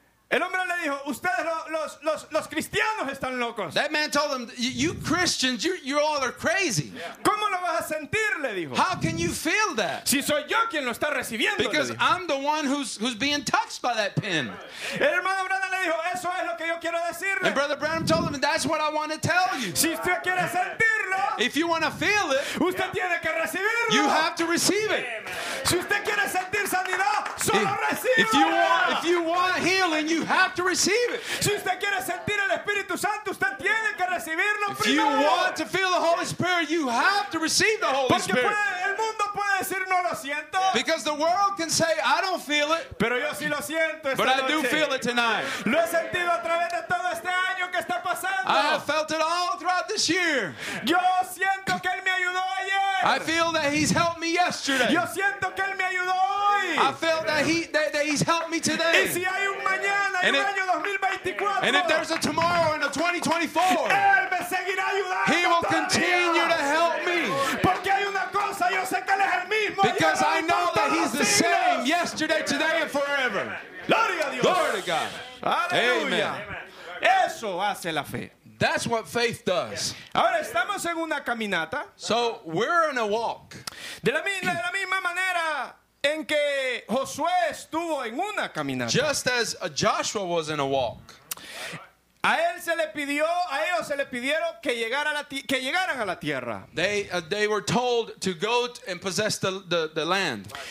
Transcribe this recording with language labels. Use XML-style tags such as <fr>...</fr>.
<es>El hombre le dijo, ustedes los cristianos están locos.</es> <en>That man told him, you Christians, you all are crazy.</en> <es>¿Cómo lo vas a sentir? Le dijo.</es> <en>How can you feel that?</en> <es>Si soy yo quien lo está recibiendo.</es> <en>Because I'm the one who's being touched by that pin.</en> <es>El hermano Branham le dijo, eso es lo que yo quiero decirle.</es> <en>And brother Branham told him, that's what I want to tell you.</en> <es>Si usted quiere sentirlo.</es> <en>If you want to feel it.</en> <es>Usted tiene que recibirlo.</es> <en>You have to receive it.</en> <es>Si usted quiere sentir sanidad, solo recibe.</es> <en>If you want healing, you have to receive it.</en> <es>Si usted quiere sentir el Espíritu Santo, usted tiene que recibirlo primero.</es> <en>If you want to feel the Holy Spirit, you have to receive the Holy Spirit.</en> <es>Porque el mundo puede decir no lo siento.</es> <en>Because the world can say I don't feel it.</en> <es>Pero yo sí lo siento esta</es> <en>But</en> <es>noche.</es> <en>I do feel it tonight.</en> <es>Lo he sentido a través de todo este año que está pasando.</es> <en>I have felt it all throughout this year.</en> <es>Yo siento que él me ayudó ayer.</es> <en>I feel that he's helped me yesterday.</en> <es>Yo siento que él me ayudó hoy.</es> <en>I felt that he's helped me today.</en> <es>Y si hay un mañana, hay un año 2024.</es> <en>And if there's a tomorrow and a 2024,</en> <es>él me seguirá ayudando.</es> <en>He will continue to help me.</en> <es>Porque hay una cosa, yo sé que él es el mismo.</es> <en>Because I know that he's the same yesterday, today, and forever.</en> <es>Gloria a Dios.</es> <en>Glory to God.</en> <es>Aleluya. Eso hace la fe.</es> <en>That's what faith does.</en> <es>Ahora estamos en una caminata.</es> <en>So we're in a walk.</en> <es>De la misma manera en que Josué estuvo en una caminata.</es> <en>Just as Joshua was in a walk.</en> <es>A él se le pidió, a ellos se le pidieron que llegaran a la tierra.</es> <en>They were told to go and possess the land.</en>